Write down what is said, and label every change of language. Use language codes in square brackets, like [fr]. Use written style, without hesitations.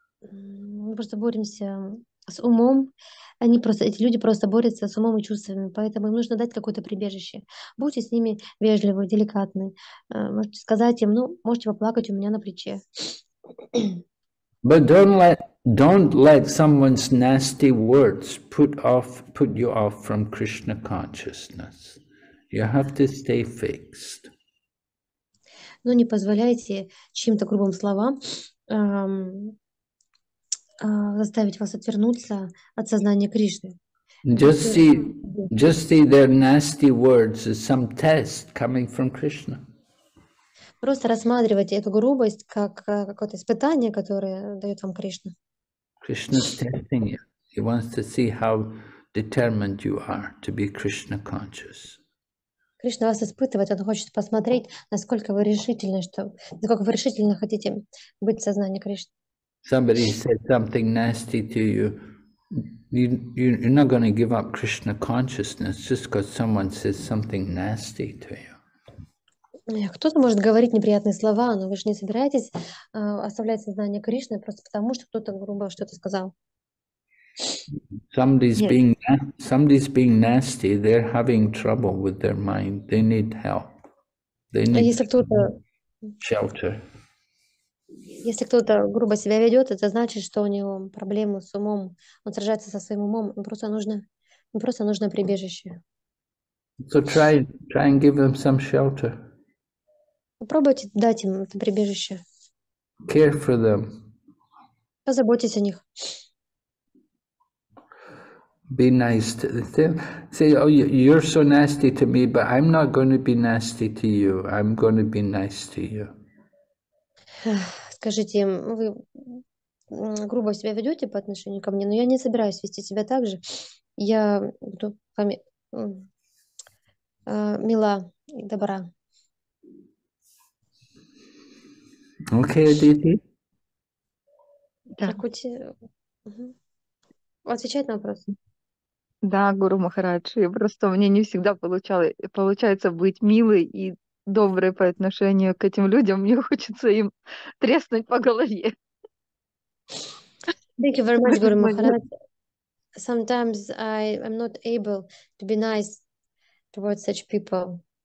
[ru] Мы просто боремся с умом. Они просто, эти люди просто борются с умом и чувствами, поэтому им нужно дать какое-то прибежище. Будьте с ними вежливы, деликатны. Можете сказать им, ну, можете поплакать у меня на плече. [en] But don't let someone's nasty words put you off from Krishna consciousness. You have to stay fixed. [ru] Но не позволяйте чьим-то грубым словам заставить вас отвернуться от сознания Кришны. [en] Just see their nasty words as some test coming from Krishna. [ru] Просто рассматривайте эту грубость как какое-то испытание, которое дает вам Кришна. [en] Krishna's testing you. He wants to see how determined you are to be Krishna conscious. [ru] Кришна вас испытывает, он хочет посмотреть, насколько вы решительны, насколько вы решительно хотите быть в сознании Кришны. [en] Somebody said something nasty to you. You're not going to give up Krishna consciousness just because someone says something nasty to you. [ru] Кто-то может говорить неприятные слова, но вы же не собираетесь оставлять сознание Кришны просто потому, что кто-то грубо что-то сказал. [en] Somebody's being nasty. They're having trouble with their mind. They need help. They need shelter. [ru] Если кто-то грубо себя ведет, это значит, что у него проблемы с умом. Он сражается со своим умом. Ему просто нужно прибежище. [en] So try and give them some shelter. [ru] Попробуйте дать им это прибежище. [en] Care for them. [ru] Позаботьтесь о них. [en] Be nice to them. Say, oh, you're so nasty to me, but I'm not going to be nasty to you. I'm going to be nice to you. [ru] Скажите им, вы грубо себя ведете по отношению ко мне, но я не собираюсь вести себя так же. Я буду мила и добра. [en] Okay, Aditi. [ru] Да. Отвечать на вопрос. Да, Гуру Махарадж. Просто мне не всегда получается быть милой и доброй по отношению к этим людям. Мне хочется им треснуть по голове. [en] Thank you very much, Гуру Махарадж. Sometimes I'm not able to be nice towards such people.